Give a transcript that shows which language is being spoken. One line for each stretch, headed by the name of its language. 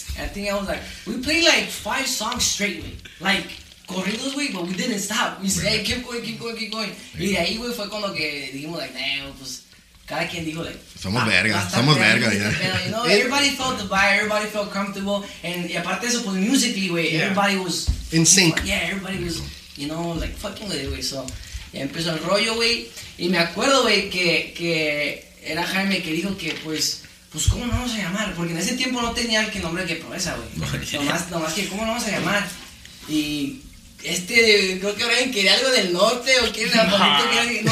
English: And I think I was like, we played like 5 songs straight, güey. Like, corridos, güey, but we didn't stop. We said, hey, keep going.
Spanish: Y de ahí, güey, fue cuando que dijimos, like, nah, pues. Cada quien dijo, like, somos verga, ya.
English: You know, everybody felt the vibe, everybody felt comfortable.
Spanish: And y aparte eso, pues musically, güey,
English: everybody was in sync. Yeah, everybody was, you know, like, fucking with it, güey, so.
Spanish: Y empezó el rollo, güey. Y me acuerdo, güey, que era Jaime que dijo que, pues, ¿cómo nos vamos a llamar? Porque en ese tiempo no tenía el nombre que Proeza, güey. Nomás que, ¿cómo nos vamos a llamar? Y creo que Brian quería algo del norte o quiere la bonita que era.